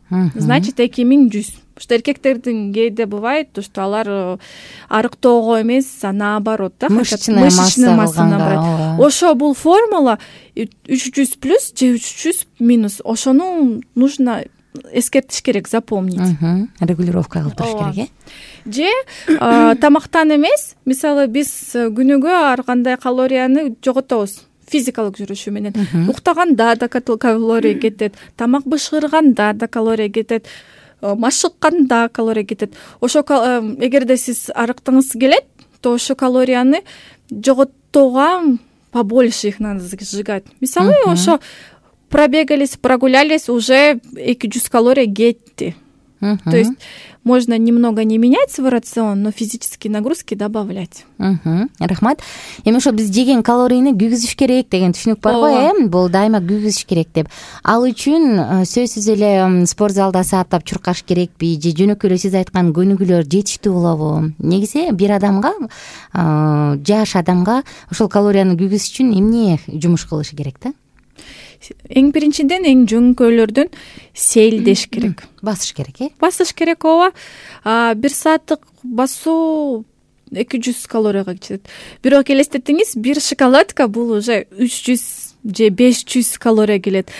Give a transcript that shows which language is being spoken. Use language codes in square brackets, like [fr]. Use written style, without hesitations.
[ru] Значит, 2100. Что [ky] эркектердин кээде [ru] бывает, то что [ky] алар арыктоого эмес, [ru] а наоборот, да, мышечная масса набрать. [ky] Ошо бул формула 300 плюс же 300 минус. Ошону [ru] нужно [ky] эскертиш керек, [ru] запомнить. [ky] Регулировка кылып туруш керек, э? Же тамактан эмес, мисалы биз күнүгө ар кандай калорияны жоготобуз физикалык жүрүшү менен. Уктаганда да калория кетет, тамак бышырганда да калория кетет, машыкканда калория кетет. Ошо эгерде сиз арыктыңыз келет, то ошо калорияны жоготтоого [ru] побольше их надо сжигать. [ky] Мисалы ошо [ru] пробегались, прогулялись, уже 200 калорий [ky] кетти. [ru] То есть можно немного не менять свой рацион, но физические нагрузки добавлять. [ky] Угу. Рахмат. Эми ошо биз жеген калорийни күйгүзүш керек деген түшүнүк бар го, э? Бул дайыма күйгүзүш керек деп. Ал үчүн сөзсүз эле спортзалда сааттап чуркаш керекпи? Же жөнөкөй эле сиз айткан көнүгүүлөр жетиштүү болобу? Негизи бир адамга, жаш адамга ошол калорияны күйгүзүш үчүн эмне жумуш кылыш керек да? Эң биринчиден эң жөнкөйлөрдөн сейилдеш керек. Басыш керек, э? Басыш керек, ооба. Бир сааттык басуу 200 калорияга жетет. Бирок элестетиңиз, бир шоколадка бул уже 300 же 500 калория келет.